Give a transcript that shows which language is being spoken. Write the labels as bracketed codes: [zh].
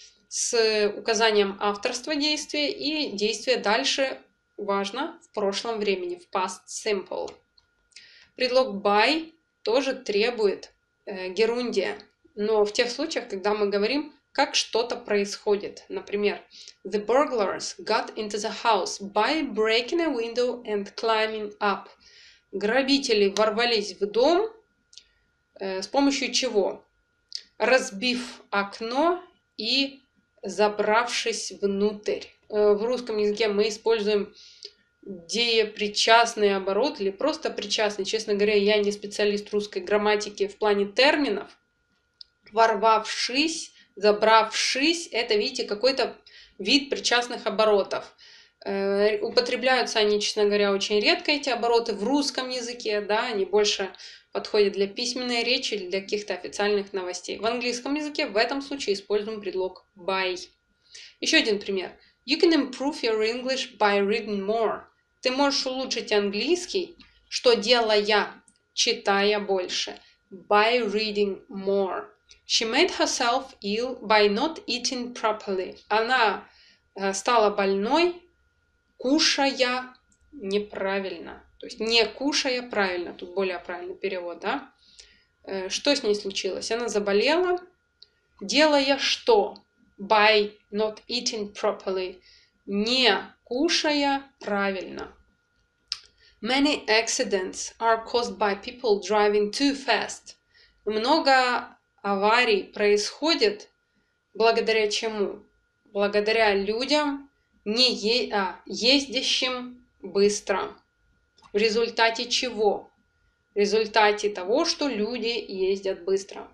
[ru] с указанием авторства действия и действия дальше, важно, в прошлом времени, в past simple. Предлог by тоже требует герундия, но в тех случаях, когда мы говорим, как что-то происходит. [en] Например, the burglars got into the house by breaking a window and climbing up. [ru] Грабители ворвались в дом с помощью чего? Разбив окно и забравшись внутрь. В русском языке мы используем деепричастный оборот или просто причастный. Честно говоря, я не специалист русской грамматики в плане терминов. Ворвавшись, забравшись, это, видите, какой-то вид причастных оборотов. Употребляются они, честно говоря, очень редко, эти обороты, в русском языке, да, они больше подходят для письменной речи или для каких-то официальных новостей. В английском языке в этом случае используем предлог by. Еще один пример. [en] You can improve your English by reading more. [ru] Ты можешь улучшить английский, что делая, читая больше. [en] By reading more. She made herself ill by not eating properly. [ru] Она стала больной, кушая неправильно. То есть не кушая правильно. Тут более правильный перевод, да? Что с ней случилось? Она заболела, делая что? [en] By not eating properly. [ru] Не кушая правильно. [en] Many accidents are caused by people driving too fast. [ru] Много аварий происходит благодаря чему? Благодаря людям, ездящим быстро. В результате чего? В результате того, что люди ездят быстро.